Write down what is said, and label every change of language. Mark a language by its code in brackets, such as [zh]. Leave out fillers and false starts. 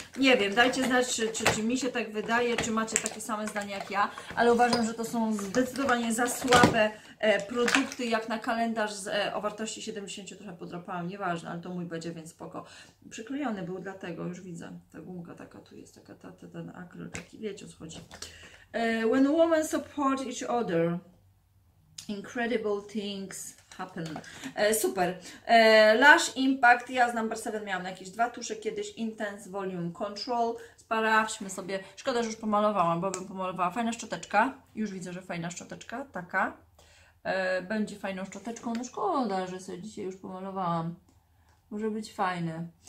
[pl] Nie wiem, dajcie znać, czy mi się tak wydaje, czy macie takie same zdanie jak ja, ale uważam, że to są zdecydowanie za słabe produkty, jak na kalendarz o wartości 70, trochę podrapałam, nieważne, ale to mój będzie, więc spoko. Przyklejony był dlatego, już widzę, ta gumka taka tu jest, taka ten akryl, taki, wiecie, o co chodzi. [en] When women support each other, incredible things happen. [pl] Super. Lash Impact, ja z Number 7 miałam na jakieś dwa tusze kiedyś, Intense Volume Control. Sparawśmy sobie, szkoda, że już pomalowałam, bo bym pomalowała. Fajna szczoteczka, już widzę, że fajna szczoteczka, taka. Będzie fajną szczoteczką, no szkoda, że sobie dzisiaj już pomalowałam. Może być fajny.